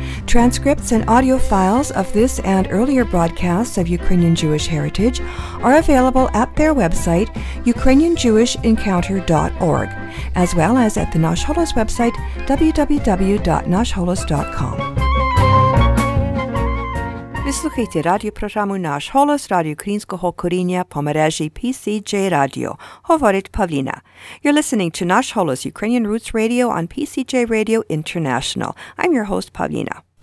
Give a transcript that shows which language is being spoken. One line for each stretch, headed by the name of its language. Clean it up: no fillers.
English: Transcripts and audio files of this and earlier broadcasts of Ukrainian Jewish Heritage are available at their website, ukrainianjewishencounter.org, as well as at the Nash Holos website, www.nashholos.com.
Ukrainian: Ви слухаєте радіопрограму «Наш голос» радіо українського коріння по мережі PCJ Radio. Говорить Павліна.
English: You're listening to «Наш голос» Ukrainian Roots Radio on PCJ Radio International. I'm your host, Павліна.